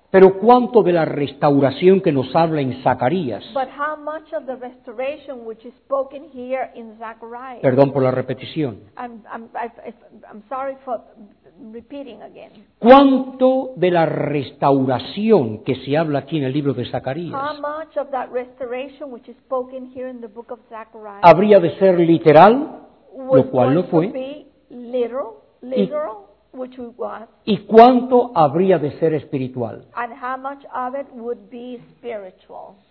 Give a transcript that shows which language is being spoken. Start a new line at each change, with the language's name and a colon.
Spanish: Pero ¿cuánto de la restauración que nos habla en Zacarías?
English: But how much of the restoration which is spoken here in Zechariah?
Spanish: Perdón por la repetición.
English: I'm sorry for repeating again.
Spanish: ¿Cuánto de la restauración que se habla aquí en el libro de Zacarías?
English: How much of that restoration which is spoken here in the book of Zechariah?
Spanish: ¿Habría de ser literal? Lo cual no fue.
English: Literal. Which it was.
Spanish: ¿Y cuánto habría de ser espiritual?
English: And how much of it would be spiritual?